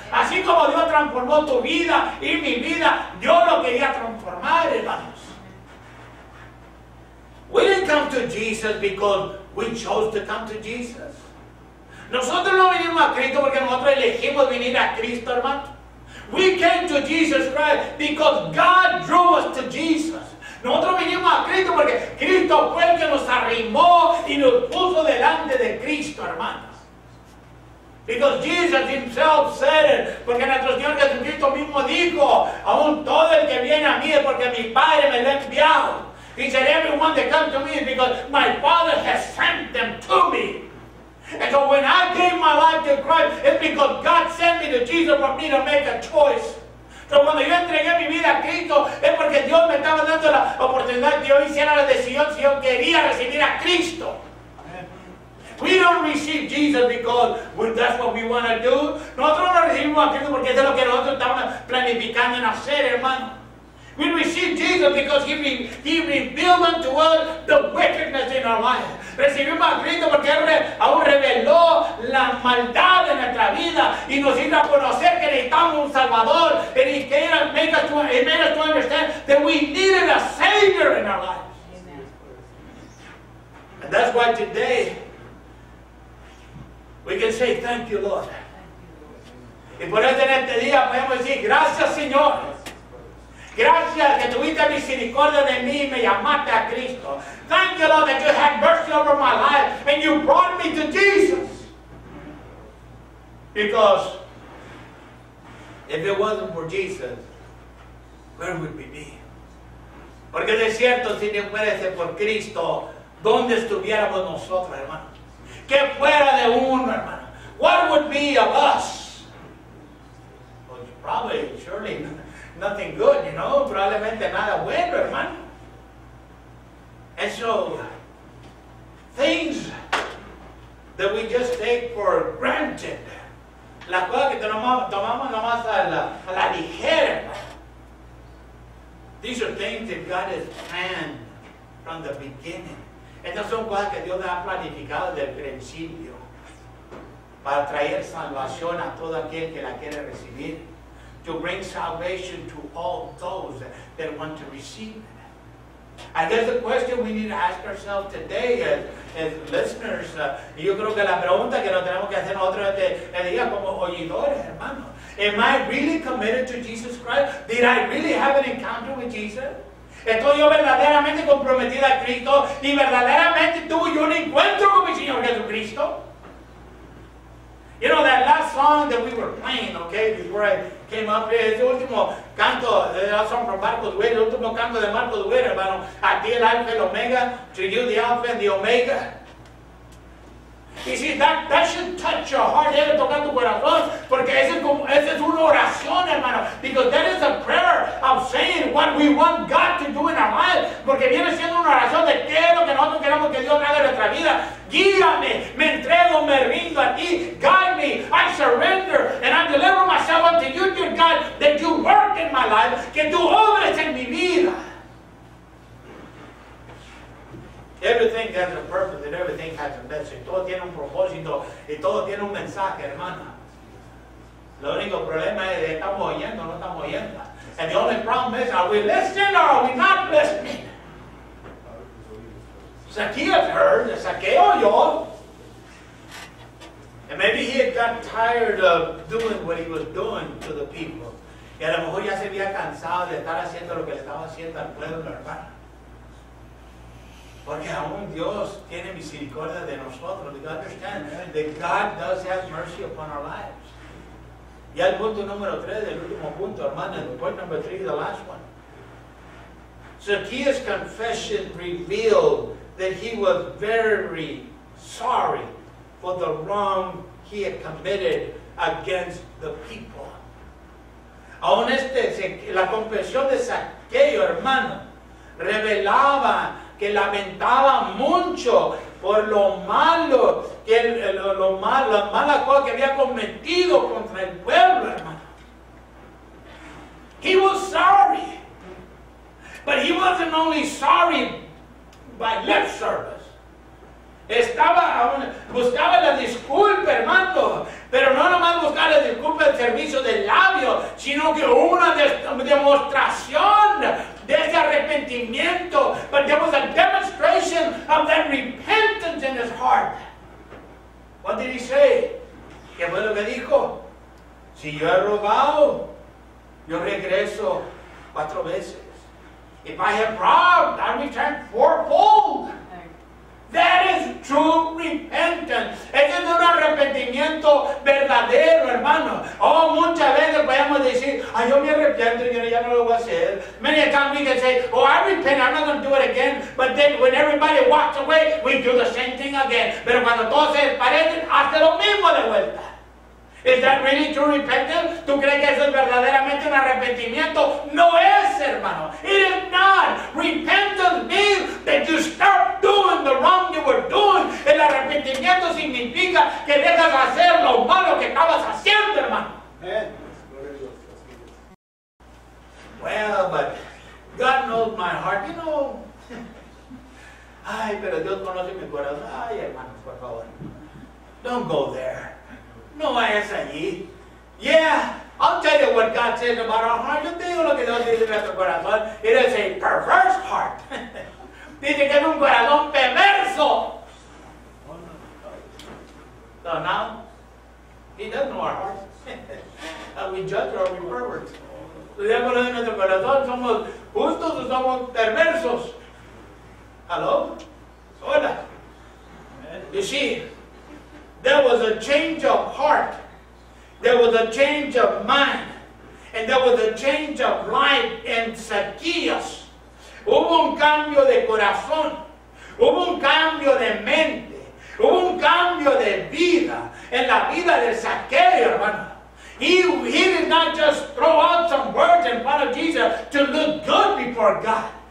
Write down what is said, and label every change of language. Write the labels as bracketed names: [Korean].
[Spanish] Así como Dios transformó tu vida y mi vida, Dios lo quería transformar, hermanos. [English] We didn't come to Jesus because we chose to come to Jesus. [Spanish] Nosotros no vinimos a Cristo porque nosotros elegimos venir a Cristo, hermano. [English] We came to Jesus Christ because God drew us to Jesus. [Spanish] Nosotros vinimos a Cristo porque Cristo fue el que nos arrimó y nos puso delante de Cristo, hermanos. [English] Because Jesus himself said it. [Spanish] Porque nuestro Señor Jesucristo mismo dijo, aún todo el que viene a mí es porque mi Padre me lo ha enviado. [English] He said, everyone that comes to me is because my Father has sent them to me. And so when I gave my life to Christ, it's because God sent me to Jesus for me to make a choice. [Spanish] Pero cuando yo entregué mi vida a Cristo, es porque Dios me estaba dando la oportunidad que yo hiciera la decisión si yo quería recibir a Cristo. [English] We don't receive Jesus because that's what we want to do. [Spanish] Nosotros no recibimos a Cristo porque es lo que nosotros estamos planificando en hacer, hermano. [English] We receive Jesus because he revealed unto us the wickedness in our life. [Spanish] Recibimos a Cristo porque aún reveló la maldad de nuestra vida y nos hizo conocer que necesitamos un Salvador. [English] And he came and made us to understand that we needed a Savior in our life. And that's why today we can say thank you, Lord. [Spanish] Y por eso en este día podemos decir gracias, Señor. Gracias que tuviste misericordia de mí y me llamaste a Cristo. [English] Thank you, Lord, that you had mercy over my life and you brought me to Jesus. Because if it wasn't for Jesus, where would we be? [Spanish] Porque de cierto, si no fuera ese por Cristo, ¿dónde estuviéramos nosotros, hermano? ¿Qué fuera de uno, hermano? [English] What would be of us? Well, probably, surely not. Nothing good, you know, [Spanish] probablemente nada bueno, hermano. [English] And so, things that we just take for granted, [Spanish] las cosas que tomamos nomás a la ligera, [English] these are things that God has planned from the beginning. [Spanish] Estas son cosas que Dios ha planificado desde el principio para traer salvación a todo aquel que la quiere recibir. [English] To bring salvation to all those that want to receive it. I guess the question we need to ask ourselves today as listeners, [Spanish] yo creo que la pregunta que nos tenemos que hacer nosotros este día como oyidores, hermano, [English] am I really committed to Jesus Christ? Did I really have an encounter with Jesus? [Spanish] ¿Estoy yo verdaderamente comprometido a Cristo? ¿Y verdaderamente tuve yo un encuentro con mi Señor Jesucristo? [English] You know, that last song that we were playing, okay, before I came up here, [Spanish] ese último canto, [English] that song from Marcos Witt, [Spanish] el último canto de Marcos Witt, hermano, a ti el Alfa y el Omega, [English] to you the Alpha and the Omega. You see, that should touch your heart, [Spanish] debe tocar tu corazón, porque ese es una oración, hermano, [English] because that is a prayer of saying what we want God to do in our life, [Spanish] porque viene siendo una oración de qué es lo que nosotros queremos que Dios haga en nuestra vida. Guíame, me entrego, me rindo a ti. [English] Guide me, I surrender, and I deliver myself unto you, dear God, that you work in my life, [Spanish] que tú obres en mi vida. [English] Everything has a purpose and everything has a message. [Spanish] Todo tiene un propósito y todo tiene un mensaje, hermana. Lo único problema es que estamos oyendo o no estamos oyendo. [English] And the only problem is, are we listening or are we not listening? Zacchaeus heard, Zacchaeus [Spanish] oyó. [English] And maybe he had got tired of doing what he was doing to the people. [Spanish] Y a lo mejor ya se había cansado de estar haciendo lo que le estaba haciendo al pueblo, hermano. Porque aún Dios tiene misericordia de nosotros. [English] Do you understand? That God does have mercy upon our lives. [Spanish] Y al punto número 3, el último punto, hermano. [English] El point number 3, the last one. Zacchaeus' confession revealed that he was very sorry for the wrong he had committed against the people. [Spanish] Aún la confesión de Zacchaeus, hermano, revelaba que lamentaba mucho por las malas cosas que había cometido contra el pueblo, hermano. [English] He was sorry. But he wasn't only sorry by lip service. [Spanish] Buscaba la disculpa, hermano. Pero no nomás buscaba la disculpa del servicio del labio, sino que una demostración de ese arrepentimiento, [English] but there was a demonstration of that repentance in his heart. What did he say? [Spanish] ¿Qué fue lo que dijo? Si yo he robado, yo regreso 4 veces. [English] If I have robbed, I return fourfold. That is true repentance. [Spanish] Ese es un arrepentimiento verdadero, hermano. Oh, muchas veces podemos decir, ay, yo me arrepiento, yo ya no lo voy a hacer. [English] Many a time we can say, oh, I repent, I'm not going to do it again. But then when everybody walks away, we do the same thing again. [Spanish] Pero cuando todos se desparecen, hace lo mismo de vuelta. [English] Is that really true repentance? [Spanish] ¿Tú crees que eso es verdaderamente un arrepentimiento? No es, hermano. [English] It is not. Repentance means that you start doing the wrong you were doing. [Spanish] El arrepentimiento significa que dejas de hacer lo malo que estabas haciendo, hermano. [English] Amen. Well, but God knows my heart, you know. [Spanish] Ay, pero Dios conoce mi corazón. Ay, hermano, por favor. [English] Don't go there. [Spanish] No vayas allí. [English] Yeah, I'll tell you what God says about our heart. [Spanish] Yo te digo lo que Dios dice en nuestro corazón. [English] It is a perverse heart. [Spanish] Dice que es un corazón perverso. [English] So now, he doesn't know our hearts. Are we judged or are we perverts? [Spanish] Los diablos de nuestro corazón, ¿somos justos o somos perversos? [English] Hello? [Spanish] Hola. [English] You see, there was a change of heart, there was a change of mind, and there was a change of life in Zacchaeus. [Spanish] Hubo un cambio de corazón, hubo un cambio de mente, hubo un cambio de vida en la vida de Zacchaeus, hermano. [English] He did not just throw out some words in front of Jesus to look good before God.